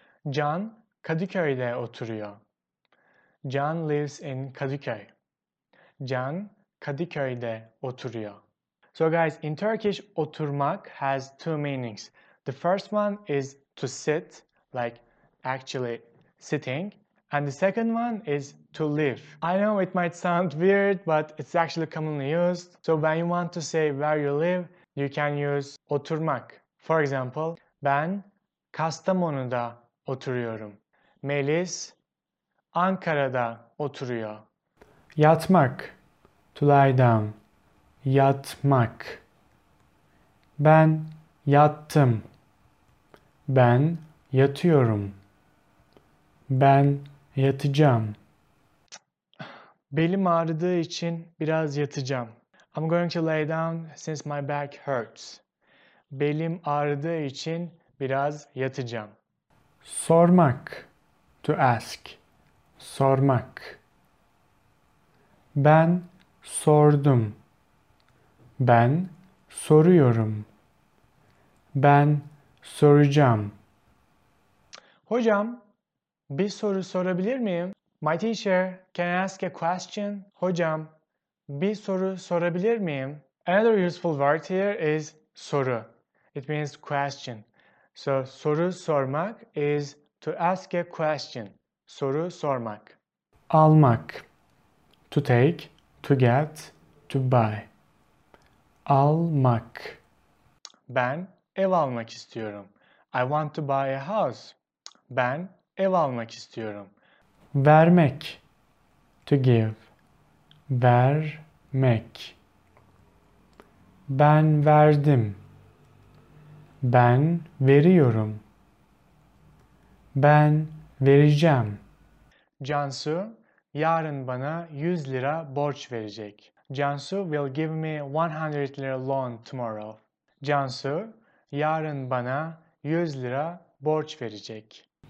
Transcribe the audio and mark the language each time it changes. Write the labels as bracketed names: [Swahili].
[Turkish] Can Kadıköy'de oturuyor. [English] Can lives in Kadıköy. [Turkish] Can Kadıköy'de oturuyor. [English] So guys, in Turkish, oturmak has two meanings. The first one is to sit, like actually sitting. And the second one is to live. I know it might sound weird, but it's actually commonly used. So when you want to say where you live, you can use oturmak. For example, [Turkish] ben Kastamonu'da oturuyorum. Melis Ankara'da oturuyor. [English] Yatmak, to lie down. Yatmak. [Turkish] Ben yattım. Ben yatıyorum. Ben yatacağım. Belim ağrıdığı için biraz yatacağım. [English] I'm going to lay down since my back hurts. [Turkish] Belim ağrıdığı için biraz yatacağım. [English] Sormak, to ask. Sormak. [Turkish] Ben sordum. Ben soruyorum. Ben soracağım. Hocam, bir soru sorabilir miyim? [English] My teacher, can I ask a question? [Turkish] Hocam, bir soru sorabilir miyim? [English] Another useful word here is soru. It means question. So, soru sormak is to ask a question. [Turkish] Soru sormak. [English] Almak. To take, to get, to buy. [Turkish] Almak. Ben ev almak istiyorum. [English] I want to buy a house. [Turkish] Ben ev almak istiyorum. [English] Vermek. To give. Vermek. [Turkish] Ben verdim. Ben veriyorum. Ben vereceğim. Cansu yarın bana 100 lira borç verecek. [English] Cansu will give me 100 lira loan tomorrow. [Turkish] Cansu yarın bana 100 lira borç verecek.